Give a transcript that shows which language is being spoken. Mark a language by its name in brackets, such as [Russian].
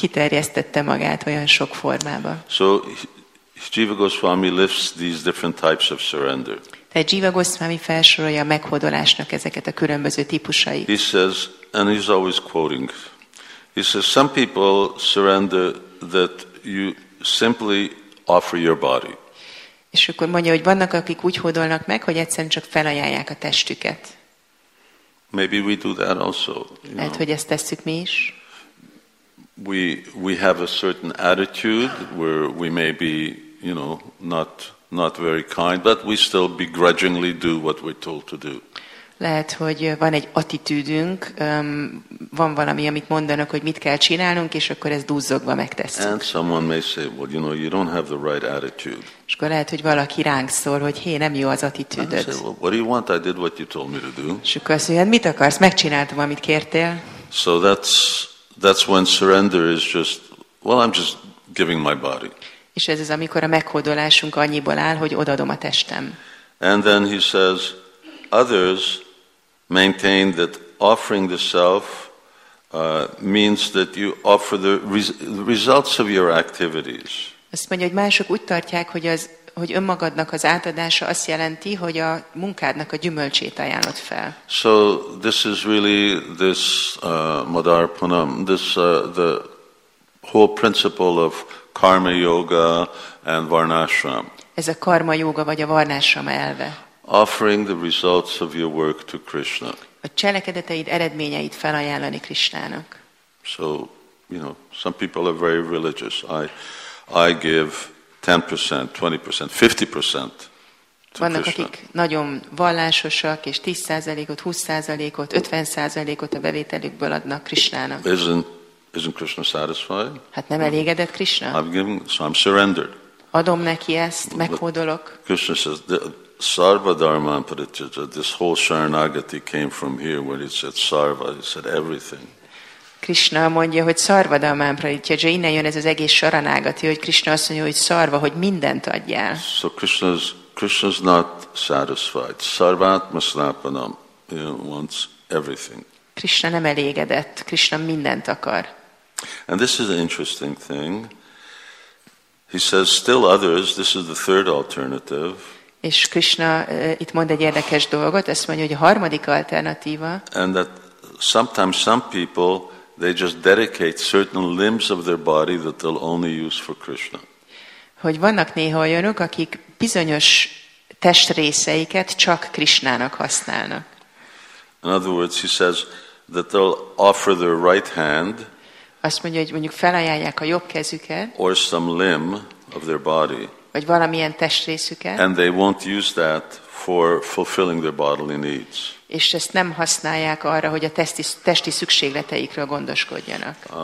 [Hungarian] Kiterjesztette magát olyan sok formába. [English] So, Jiva Goswami lifts these different types of surrender. [Hungarian] Tehát Jiva Goswami felsorolja a meghódolásnak ezeket a különböző típusait. [English] He says, and he's always quoting, he says, some people surrender that you simply offer your body. [Hungarian] És akkor mondja, hogy vannak, akik úgy hódolnak meg, hogy egyszerűen csak felajánlják a testüket. [English] Maybe we do that also. [Hungarian] Lehet, hogy ezt tesszük mi is. [English] We have a certain attitude where we may be, you know, not very kind, but we still begrudgingly do what we're told to do. [Hungarian] Lehet, hogy van egy attitűdünk, van valami, amit mondanak, hogy mit kell csinálnunk, és akkor ezt duzzogva megtesszük. [English] And someone may say, well, you know, you don't have the right attitude. [Hungarian] És akkor lehet, hogy valaki ránk szól, hogy hé, nem jó az attitűdöd. [English] Say, well, what do you want? I did what you told me to do. [Hungarian] És akkor azt mondja, mit akarsz? Megcsináltam, amit kértél. [English] So that's when surrender is just, well, I'm just giving my body. [Hungarian] És ez az, amikor a meghódolásunk annyiból áll, hogy odaadom a testem. [English] And then he says, others maintain that offering the self means that you offer the results of your activities. [Hungarian] Azt mondja, hogy mások úgy tartják, hogy az, hogy önmagadnak az átadása azt jelenti, hogy a munkádnak a gyümölcsét ajánlod fel. [English] So this is really this Madar Punam, this the whole principle of karma yoga and varnashram. [Hungarian] Ez a karma yoga vagy a varnashram elve. [English] Offering the results of your work to Krishna. [Hungarian] A cselekedeteid eredményeit felajánlani Krishnának. [English] So, you know, some people are very religious. I give 10%, 20%, 50% to [Hungarian] Vannak, [English] Krishna. [Hungarian] Akik nagyon vallásosak, és 10%-ot, 20%-ot, 50%-ot a bevételükből adnak Krishnának. [English] Isn't Krishna satisfied? [Hungarian] Hát nem elégedett Krishna? [English] I'm surrendered. [Hungarian] Adom neki ezt, meghódolok. [English] Krishna says, [Sanskrit] Sarva Dharma Paritya, [English] this whole Sharanagati came from here where it said Sarva, it said everything. [Hungarian] Krishna mondja, hogy [Sanskrit] Sarva Dharma Paritya, [Hungarian] innen jön ez az egész Sharanagati, hogy Krishna azt mondja, hogy Sarva, hogy mindent adjál. [English] So Krishna's not satisfied. [Sanskrit] Sarvatma Snapanam, [English] he wants everything. [Hungarian] Krishna nem elégedett, Krishna mindent akar. [English] And this is an interesting thing. He says, still others, this is the third alternative. [Hungarian] És Krishna itt mond egy érdekes dolgot, azt mondja, hogy a harmadik alternatíva. [English] And that sometimes some people, they just dedicate certain limbs of their body that they'll only use for Krishna. [Hungarian] Hogy vannak néha olyanok, akik bizonyos testrészeiket csak Krishnának használnak. [English] In other words, he says that they'll offer their right hand. [Hungarian] Azt mondja, hogy mondjuk felajánlják a jobb kezüket. [English] Or some limb of their body. [Hungarian] Vagy valamilyen testrészüket. [English] And they won't use that for fulfilling their bodily needs. [Hungarian] És ezt nem használják arra, hogy a testi szükségleteikről gondoskodjanak.